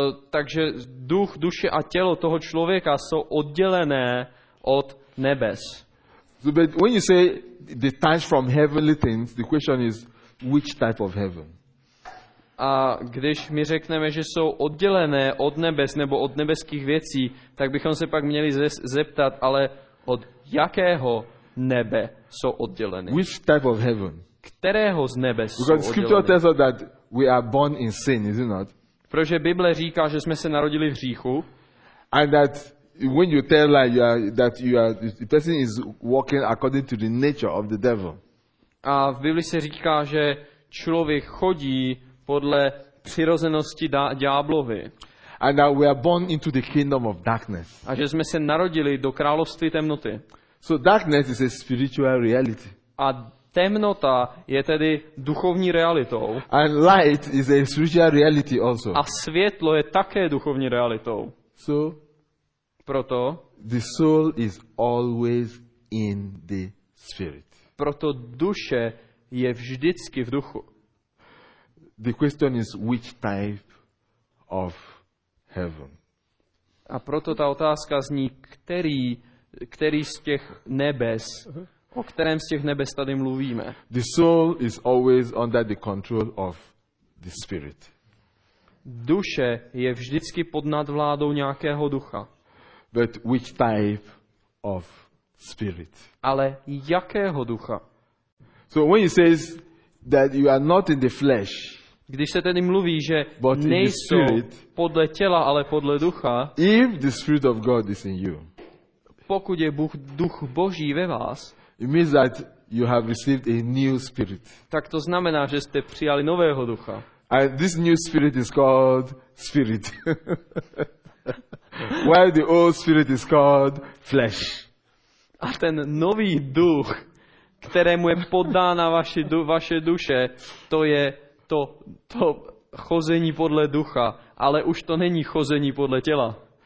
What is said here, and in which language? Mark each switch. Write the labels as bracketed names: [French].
[Czech] Takže duch, duše a tělo toho člověka jsou oddělené od nebes. [English] So, but when you say detached from heavenly things, the question is which type of heaven? [Czech] A když my řekneme, že jsou oddělené od nebes nebo od nebeských věcí, tak bychom se pak měli zeptat, ale od jakého nebe jsou oddělené? [English] Which type of heaven? [Czech] Kterého z nebes [English] because [Czech] jsou oddělené? [English] Because scripture tells us that we are born in sin, is it not? [Czech] Protože Bible říká, že jsme se narodili v hříchu. [English] And that when you tell lie, you are the person is walking according to the nature of the devil. [Czech] A v Bibli se říká, že člověk chodí podle přirozenosti ďáblovy. [English] And that we are born into the kingdom of darkness. [Czech] A že jsme se narodili do království temnoty. [English] So darkness is a spiritual reality. [Czech] A temnota je tedy duchovní realitou. [English] And light is a spiritual reality also. [Czech] A světlo je také duchovní realitou. [English] So [Czech] proto [English] the soul is always in the spirit. [Czech] Proto duše je vždycky v duchu. [English] The question is which type of heaven. [Czech] A proto ta otázka zní, který z těch nebes, o kterém z těch nebes tady mluvíme. [English] The soul is always under the control of the spirit. [Czech] Duše je vždycky pod nadvládou nějakého ducha. [English] But which type of spirit? [Czech] Ale jakého ducha? [English] So when he says that you are not in the flesh, [Czech] když se tedy mluví, že nejsou podle těla, ale podle ducha, [English] if the spirit of God is in you, [Czech] pokud je Bůh, duch Boží ve vás, [English] it means that you have received a new spirit. [Czech] Tak to znamená, že jste přijali nového ducha. [English] And this new spirit is called spirit. While the old spirit is called flesh. [Czech] A ten nový duch, kterému je podána vaše duše, to je to chození podle ducha, ale už to není chození podle těla.